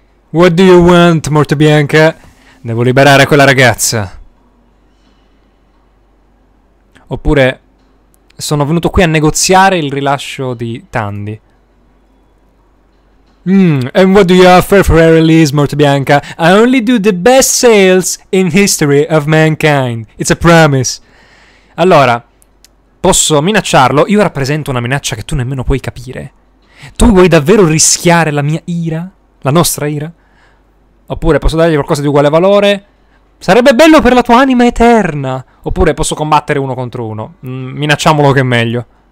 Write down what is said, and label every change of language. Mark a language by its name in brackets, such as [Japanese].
[English] What do you want, Morte Bianca? [Italian] Devo liberare quella ragazza. Oppure sono venuto qui a negoziare il rilascio di Tandy. [English] And what do you offer for a release, Morte Bianca? I only do the best sales in history of mankind. It's a promise. [Italian] Allora, posso minacciarlo? Io rappresento una minaccia che tu nemmeno puoi capire. Tu vuoi davvero rischiare la mia ira? La nostra ira? Oppure posso dargli qualcosa di uguale valore? Sarebbe bello per la tua anima eterna. Oppure posso combattere uno contro uno. Minacciamolo che è meglio.